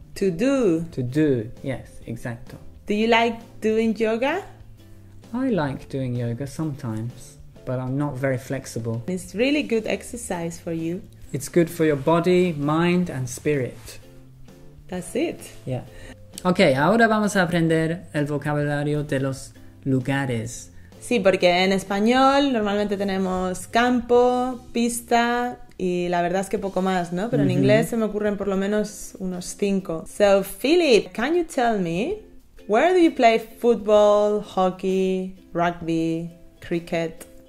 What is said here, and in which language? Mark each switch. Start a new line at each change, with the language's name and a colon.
English: To do. To do, yes, exacto. Do you like doing yoga? I like doing yoga sometimes, but I'm not very flexible. It's really good exercise for you. It's good for your body, mind, and spirit. That's it. Yeah.
Spanish: Ok, ahora vamos a aprender el vocabulario de los lugares. Sí, porque en español normalmente tenemos campo, pista y la verdad es que poco más, ¿no? Pero en inglés se me ocurren por lo menos unos cinco.
English: So, Philip, can you tell me where do you play football, hockey, rugby, cricket?